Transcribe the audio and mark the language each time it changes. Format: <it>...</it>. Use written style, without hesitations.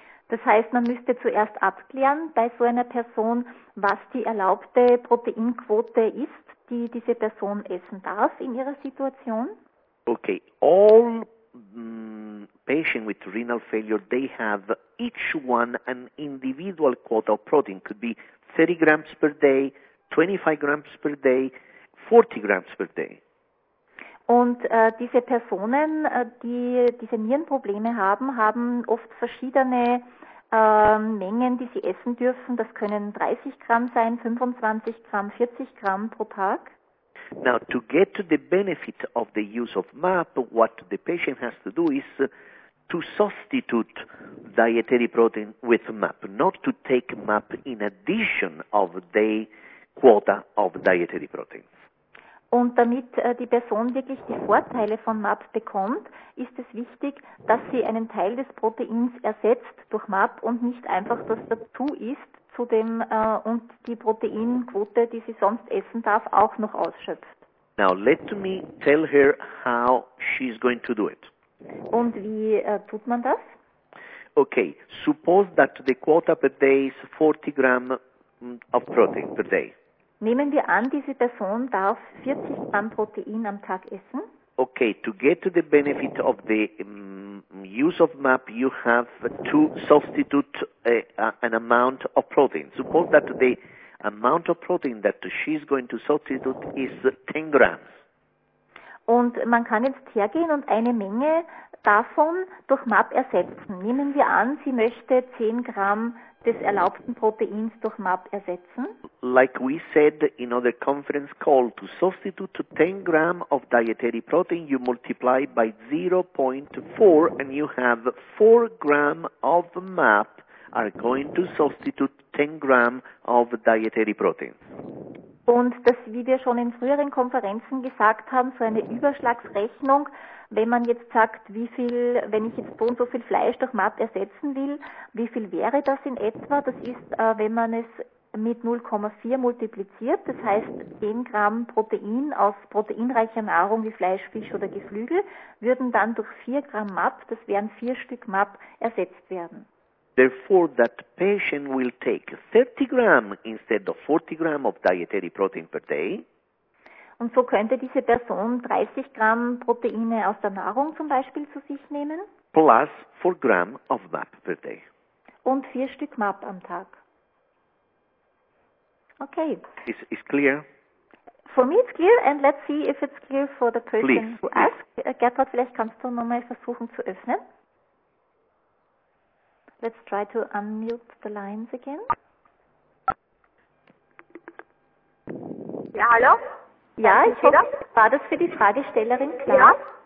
<de>Das heißt, man müsste zuerst abklären bei so einer Person, was die erlaubte Proteinquote ist, die diese Person essen darf in ihrer Situation.</de> <en>Okay, all patients with renal failure, they have each one an individual quota of protein. Could be 30 grams per day, 25 grams per day, 40 grams per day.</en> <de>Und diese Personen, die diese Nierenprobleme haben, haben oft verschiedene Mengen, die sie essen dürfen. Das können 30 Gramm sein, 25 Gramm, 40 Gramm pro Tag.</de> <en>Now, to get to the benefit of the use of MAP, what the patient has to do is to substitute dietary protein with MAP, not to take MAP in addition of the quota of dietary protein.</en> <de>Und damit die Person wirklich die Vorteile von MAP bekommt, ist es wichtig, dass sie einen Teil des Proteins ersetzt durch MAP und nicht einfach das dazu isst zu dem und die Proteinquote, die sie sonst essen darf, auch noch ausschöpft.</de> <en>Now let me tell her how she's going to do it.</en> <de>Und wie tut man das?</de> <en>Okay, suppose that the quota per day is 40 gram of protein per day.</en> <de>Nehmen wir an, diese Person darf 40 Gramm Protein am Tag essen.</de> <en>Okay, to get to the benefit of the use of MAP, you have to substitute an amount of protein. Suppose that the amount of protein that she's going to substitute is 10 grams.</en> <de>Und man kann jetzt hergehen und eine Menge davon durch MAP ersetzen. Nehmen wir an, sie möchte 10 Gramm des erlaubten Proteins durch MAP ersetzen.</de> <en>Like we said in other conference call, to substitute 10 grams of dietary protein, you multiply by 0.4 and you have 4 grams of MAP are going to substitute 10 grams of dietary protein.</en> <de>Und das, wie wir schon in früheren Konferenzen gesagt haben, so eine Überschlagsrechnung, wenn man jetzt sagt, wie viel, wenn ich jetzt so und so viel Fleisch durch MAP ersetzen will, wie viel wäre das in etwa? Das ist, wenn man es mit 0,4 multipliziert, das heißt 10 Gramm Protein aus proteinreicher Nahrung wie Fleisch, Fisch oder Geflügel, würden dann durch 4 Gramm MAP, das wären 4 Stück MAP, ersetzt werden.</de> <en>Therefore, that patient will take 30 gram instead of 40 gram of dietary protein per day.</en> <de>Und so könnte diese Person 30 Gramm Proteine aus der Nahrung zum Beispiel zu sich nehmen.</de> <en>Plus 4 gram of MAP per day.</en> <de>Und 4 Stück MAP am Tag.</de> <en>Okay. Is clear? For me it's clear and let's see if it's clear for the person please, who please. Asked.</en> <de>Gertrud, vielleicht kannst du nochmal versuchen zu öffnen.</de> <en>Let's try to unmute the lines again.</en> <de>Ja, hallo? Ja, ich hoffe, war das für die Fragestellerin klar? Ja.</de>